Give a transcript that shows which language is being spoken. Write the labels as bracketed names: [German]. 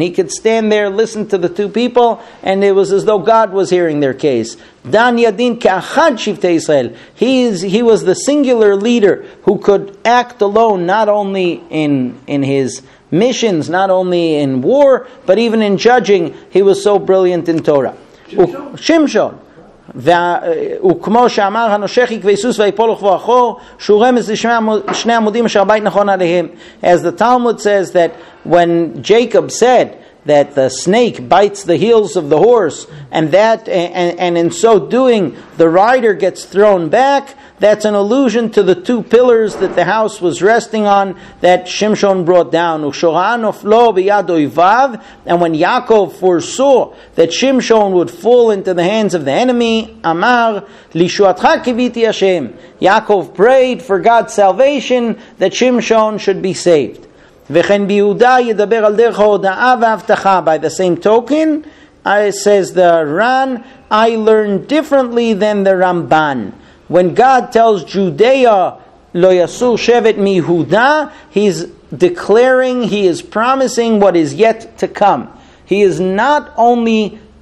[English] He could stand there, listen to the two people, and it was as though God was hearing their case. [Hebrew] Dan Yadin ke'achad shivtei Yisrael. [English] He was the singular leader who could act alone, not only in his missions, not only in war, but even in judging, he was so brilliant in Torah. Shimshon. [Hebrew] וכמו שאמר הנושך יקווה סוס ויפול וכבוא אחור שהוא רמז לשני עמודים אשר בית נכון עליהם. [English] As the Talmud says that when Jacob said that the snake bites the heels of the horse, and that and in so doing the rider gets thrown back, that's an allusion to the two pillars that the house was resting on that Shimshon brought down. And when Yaakov foresaw that Shimshon would fall into the hands of the enemy, [Hebrew] Amar Lishuatcha Kiviti Hashem, [English] Yaakov prayed for God's salvation that Shimshon should be saved. [Hebrew] וכן ביהודה ידבר על דרך ההודעה והבטחה. [English] By the same token, says the Ran, I learned differently than the Ramban. When God tells Judea, [Hebrew] לא יסור שבט מיהודה, [English] he's declaring, he is promising what is yet to come. He is not only